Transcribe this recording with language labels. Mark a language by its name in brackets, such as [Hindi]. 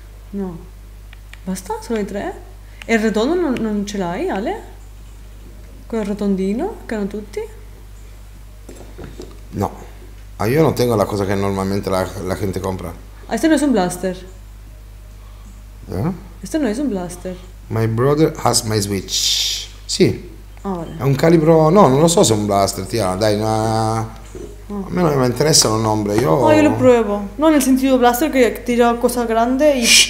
[Italian] No. Basta? Sono i tre? E il rotondo non ce l'hai, Ale? Quel rotondino che hanno tutti? No. Ma io non tengo la cosa che normalmente la gente compra. Ah, questo non è un blaster. Eh? Questo non è un blaster. [English] My brother has my switch. [Italian] Sì. Ah, vale. È un calibro... No, non lo so se è un blaster, Tiana. Dai, ma... A me non mi interessa il nome, io... Ah, io lo provo. No, nel sentito blaster che tira cosa grande e...